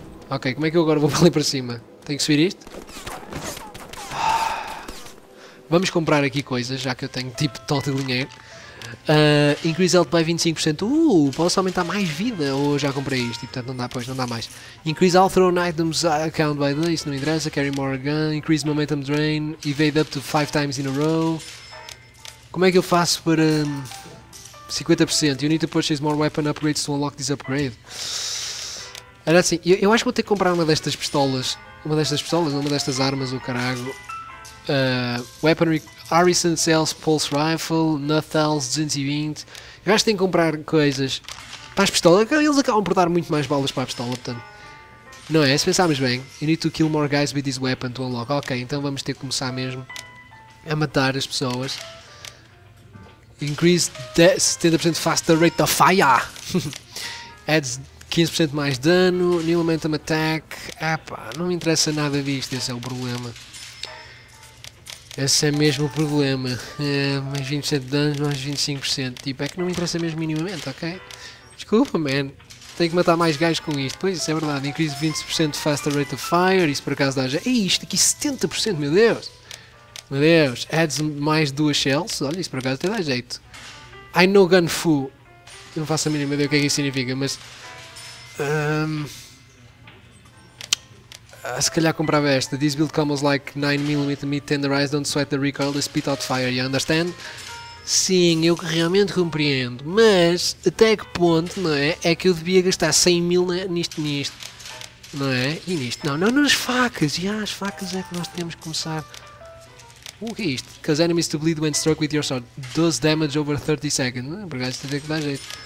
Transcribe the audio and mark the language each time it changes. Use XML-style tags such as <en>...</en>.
<pt>Ok, como é que eu agora vou para ali para cima? Tenho que subir isto? Vamos comprar aqui coisas, já que eu tenho tipo todo o dinheiro.</pt> <en>Increase health by 25%.</en> <pt>Posso aumentar mais vida. Ou já comprei isto e portanto não dá, pois não dá mais.</pt> <en>Increase all thrown items account by this.</en> <pt>Não interessa.</pt> <en>Carry more gun. Increase momentum drain. Evade up to 5 times in a row.</en> <pt>Como é que eu faço para 50%?</pt> <en>You need to purchase more weapon upgrades to unlock this upgrade.</en> <pt>Era assim. Eu acho que vou ter que comprar uma destas pistolas. Uma destas armas, o carago.</pt> <en>Weaponry, Arisen Cells Pulse Rifle, Nathals 220.</en> <pt>Eu acho que tenho que comprar coisas para as pistolas. Eles acabam por dar muito mais balas para a pistola, portanto. Não é? Se pensarmos bem,</pt> <en>you need to kill more guys with this weapon to unlock.</en> <pt>Ok, então vamos ter que começar mesmo a matar as pessoas.</pt> <en>Increase 70% faster rate of fire. Adds 15%</en> <pt>mais dano.</pt> <en>New momentum attack.</en> <pt>Epá, não me interessa nada disto. Esse é o problema. Esse é mesmo o problema. É, mais 27 danos, mais 25%. Tipo, é que não me interessa mesmo minimamente, ok? Desculpa, man. Tenho que matar mais gajos com isto. Pois, isso é verdade.</pt> <en>Increase 20% faster rate of fire.</en> <pt>Isso por acaso dá já. Ei, isto aqui 70%, meu Deus! Meu Deus!</pt> <en>Adds mais 2 shells.</en> <pt>Olha, isso por acaso até dá jeito.</pt> <en>I know gun fu.</en> <pt>Eu não faço a mínima ideia o que é que isso significa, mas. Se calhar comprava esta.</pt> <en>This build comes like 9mm meat tenderized, don't sweat the recoil, the spit out fire, you understand?</en> <pt>Sim, eu realmente compreendo, mas até que ponto, não é? É que eu devia gastar 100 mil nisto, não é? E nisto, não nas facas, e as facas é que nós temos que começar. O que é isto?</pt> <en>Cause enemies to bleed when struck with your sword, 12 damage over 30 seconds,</en> <pt>não é? Por acaso tem que dar jeito.</pt>